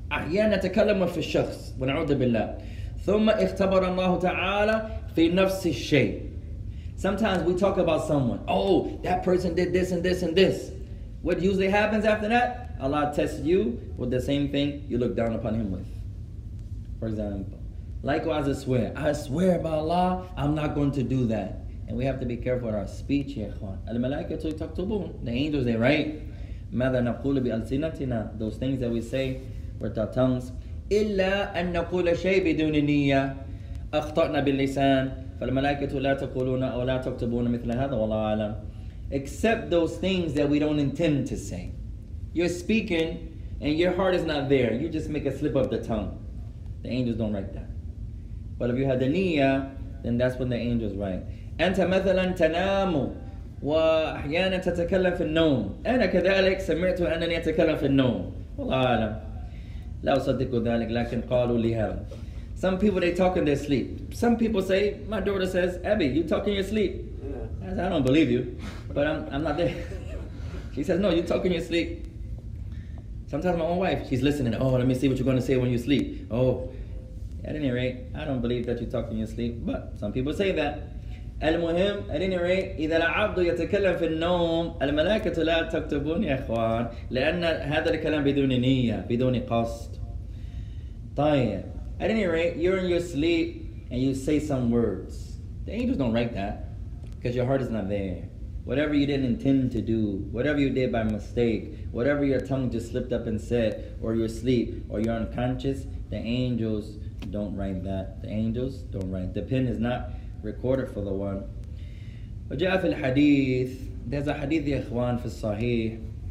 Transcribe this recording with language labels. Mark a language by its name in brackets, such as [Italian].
[Arabic] أحيانا تكلم في الشخص ونعوذ بالله ثم اختبر الله تعالى في نفس الشيء. [English] Sometimes we talk about someone. Oh, that person did this and this and this. What usually happens after that? Allah tests you with the same thing you look down upon him with. For example, likewise I swear. I swear by Allah, I'm not going to do that. And we have to be careful with our speech, ya ikhwan. [Arabic] Al-malaikatu taktubun. [English] The angels, they write. [Arabic] ماذا نقول بألسنتنا. [English] Those things that we say with our tongues. [Arabic] إلا أن نقول شيء بدون نية. أخطأنا باللسان. فالملائكة لا تقولون أو لا تكتبون مثل هذا والله أعلم. [English] Except those things that we don't intend to say. You're speaking and your heart is not there. You just make a slip of the tongue. The angels don't write that. But if you have the نية, then that's when the angels write. [Arabic] أنت مثلا تنام وأحيانا تتكلم في النوم. أنا كذلك سمعت أنني أتكلم في النوم. والله أعلم. لا أصدق ذلك لكن قالوا لي هذا. [English] Some people they talk in their sleep. Some people say, my daughter says, Abby, you talk in your sleep. Yeah. I said, I don't believe you, but I'm not there. She says, no, you talk in your sleep. Sometimes my own wife, she's listening. Oh, let me see what you're gonna say when you sleep. Oh, at any rate, I don't believe that you talk in your sleep, but some people say that. [Arabic] المهم, [English] at any rate, [Arabic] إذا العبد يتكلم في النوم, الملائكة لا تكتبون يا إخوان, لأن هذا الكلام بدون نية, بدون قصد. [English] طيب, at any rate, you're in your sleep and you say some words. The angels don't write that because your heart is not there. Whatever you didn't intend to do, whatever you did by mistake, whatever your tongue just slipped up and said, or you're asleep, or you're unconscious, the angels don't write that. The angels don't write. The pen is not recorded for the one. [Arabic] وجاء في الحديث, [English] there's a hadith, [Arabic] يا إخوان, في الصحيح.